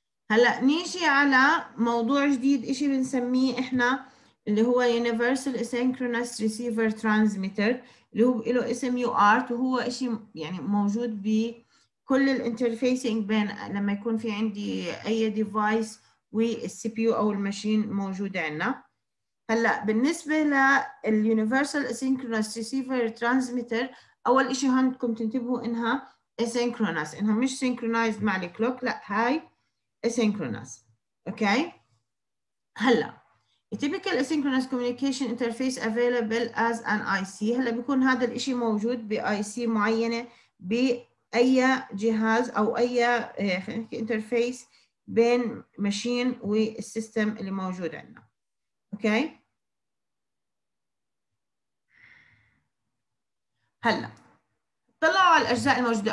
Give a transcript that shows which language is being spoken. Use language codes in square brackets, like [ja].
[ar] هلأ نيجي على موضوع جديد، إشي بنسميه إحنا اللي هو Universal Asynchronous Receiver Transmitter اللي هو له اسم UART، وهو إشي يعني موجود بكل الانترفيسينج بين لما يكون في عندي أي ديفايس والCPU أو الماشين موجود عندنا. هلأ بالنسبة لل Universal Asynchronous Receiver Transmitter، أول إشي هنكم تنتبهوا إنها Asynchronous، إنها مش Synchronized مع الكلوك، لأ هاي asynchronous. [en] okay [ar] هلا [en] a typical asynchronous communication interface available as an IC. [ar] هلا بيكون هذا الاشي موجود ب IC معينة بأي جهاز او اي interface بين machine والسيستم اللي موجود عندنا. okay هلا طلعوا على الأجزاء الموجودة.